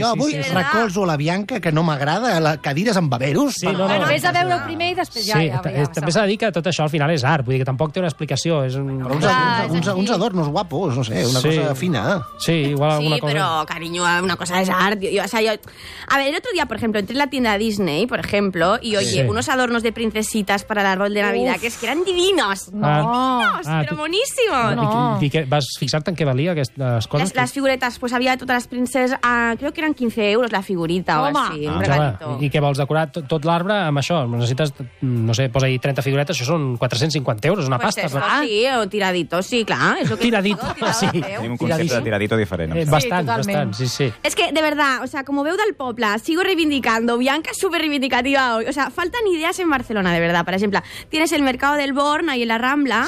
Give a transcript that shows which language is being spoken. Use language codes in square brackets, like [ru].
[ca] Jo avui recolzo la Bianca, que no m'agrada, cadires amb baberos. Vés a veure primer i després ja. També s'ha de dir que tot això al final és art, vull dir que tampoc té una explicació. És un... uns adornos guapos, no sé, una cosa fina. Sí, igual alguna cosa. Sí, però, cariño, una cosa és art. [es] A ver, el otro día, por ejemplo, entré en la tienda Disney, por ejemplo, y oye, unos adornos de princesitas para el árbol de Navidad, que es que eran divinos. Pero monísimos. [ca] I vas fixar-te en què valia aquestes coses? Les figuretes, [es] pues había todas las princesas, creo que eran 15 euros la figurita o así, un regalito. [ca] I què vols decorar tot l'arbre amb això? Necessites, no sé, posa-hi 30 figuretes, això són 450 euros, una pasta. [es] Pues eso, sí, o tiradito, sí, claro. Tiradito, sí. [ca] Tenim un concepte de tiradito diferent. Bastant, sí, sí. [es] Es que, de verdad, o sea, como veu del poble, sigo reivindicando, Bianca es súper reivindicativa hoy. O sea, faltan ideas en Barcelona, de verdad. Por ejemplo, tienes el Mercado del Born ahí en la Rambla.